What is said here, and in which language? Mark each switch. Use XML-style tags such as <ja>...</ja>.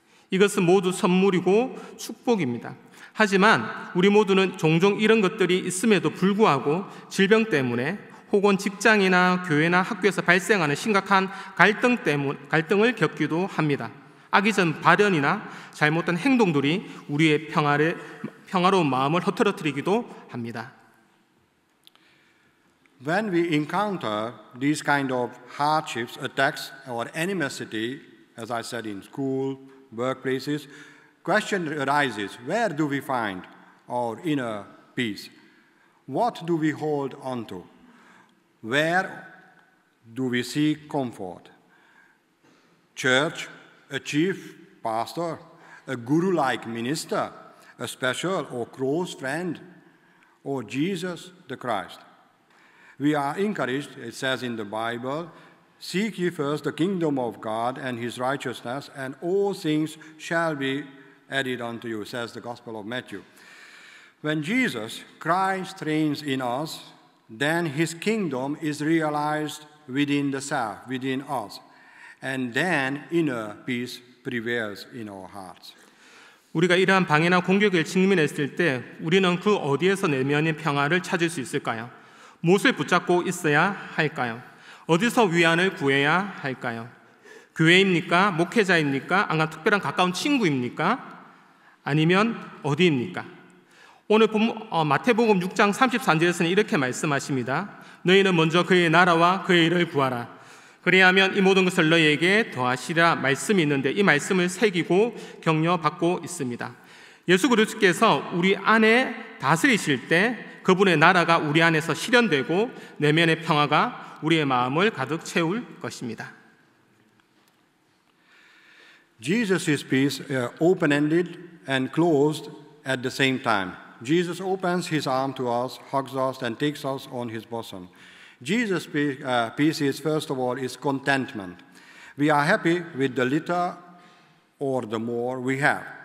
<ko>이것은 모두 선물이고 축복입니다. 하지만 우리 모두는 종종 이런 것들이 있음에도 불구하고 질병 때문에 혹은 직장이나 교회나 학교에서 발생하는 심각한 갈등을 겪기도 합니다. 악의적 발언이나 잘못된 행동들이 우리의 평화로운 마음을 흐트러뜨리기도 합니다.</ko> <en>When we encounter these kind of hardships, attacks, or animosity, as I said, in school, workplaces, question arises, where do we find our inner peace? What do we hold on to? Where do we seek comfort? Church, a chief pastor, a guru-like minister, a special or close friend, or Jesus the Christ? We are encouraged, it says in the Bible, seek ye first the kingdom of God and his righteousness, and all things shall be added unto you, says the Gospel of Matthew. When Jesus Christ reigns in us, then his kingdom is realized within the self, within us, and then inner peace prevails in our hearts.</en> <ko>우리가 이러한 방해나 공격에 직면했을 때 우리는 그 어디에서 내면의 평화를 찾을 수 있을까요? 무엇을 붙잡고 있어야 할까요? 어디서 위안을 구해야 할까요? 교회입니까? 목회자입니까? 아니 특별한 가까운 친구입니까? 아니면 어디입니까? 오늘 마태복음 6장 34절에서는 이렇게 말씀하십니다. 너희는 먼저 그의 나라와 그의 의를 구하라. 그리하면 이 모든 것을 너희에게 더하시라 말씀이 있는데 이 말씀을 새기고 격려받고 있습니다. 예수 그리스도께서 우리 안에 다스리실 때 그분의 나라가 우리 안에서 실현되고 내면의 평화가 우리의 마음을 가득 채울 것입니다.</ko> <en>Jesus' peace open-ended and closed at the same time. Jesus opens his arm to us, hugs us, and takes us on his bosom. Jesus' peace is, first of all, is contentment. We are happy with the little or the more we have.</en>